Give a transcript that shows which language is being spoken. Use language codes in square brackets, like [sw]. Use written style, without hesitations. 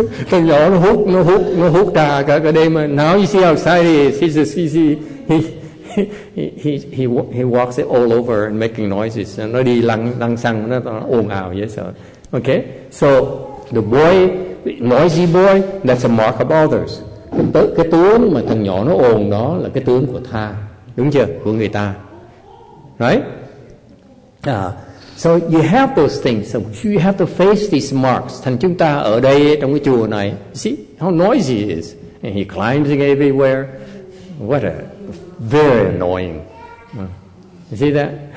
[vi] Thằng nhỏ nó hút trà cả đêm. [en] Now you see how excited he is. He walks it all over and making noises. [vi] And nó đi lăng xăng, nó ồn ào dễ sợ. [en] Okay? So the boy, the noisy boy, that's a mark of others. [vi] Cái tướng mà thằng nhỏ nó ồn đó là cái tướng của tha. Đúng chưa? Của người ta. [en] Right? So you have those things. So you have to face these marks. [vi] Thành chúng ta ở đây trong cái chùa này, [en] see how noisy it is. And he climbs everywhere. What a very annoying. You see that?